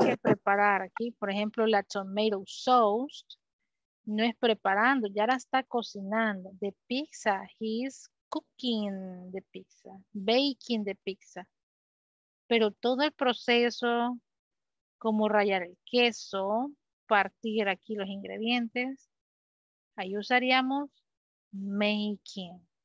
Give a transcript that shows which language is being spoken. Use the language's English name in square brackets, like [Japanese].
[Spanish] Hay que preparar aquí, por ejemplo, la [English] tomato sauce. [Spanish] No es preparando, ya la está cocinando. [English] The pizza, he's cooking the pizza, baking the pizza. [Spanish] Pero todo el proceso, como rallar el queso, partir aquí los ingredientes, ahí usaríamos making.